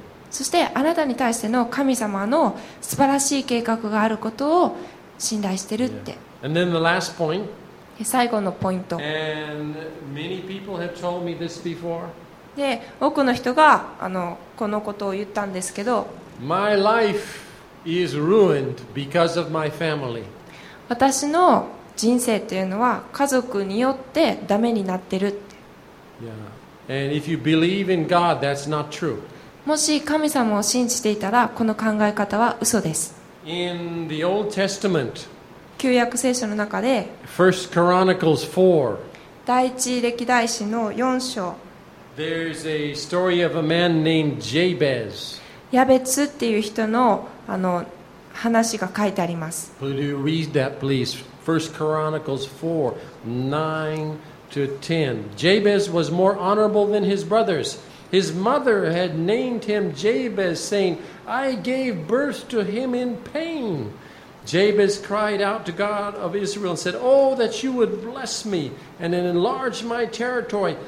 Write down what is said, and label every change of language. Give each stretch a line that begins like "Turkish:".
Japanese: そしてあなたに対しての神様の素晴らしい計画があることを信頼してるって。
English: Yeah. And then the last point.
Japanese: 最後のポイント。
English: And many people have told me this before.
Japanese: で、多くの人がこのことを言ったんですけど。
English: My life is ruined because of my family.
Japanese: 私の人生というのは家族によってダメになってるって。
English: Yeah. And if you believe in God, that's not true.
Japanese: もし神様を信じていたらこの考え方は嘘です。
English: In the Old Testament,
Japanese: 旧約聖書の中で、
English: First Chronicles 4,
Japanese: 第一歴代史の4章、
English: There's a story of a man named Jabez.
Japanese: ヤベツっていう人の話が書いてあります。
English: Could you read that, please? First Chronicles 4:9-10. Jabez was more honorable than his brothers. His mother had named him Jabez, saying, I gave birth to him in pain. Jabez cried out to God of Israel and said, Oh, that you would bless me and enlarge my territory.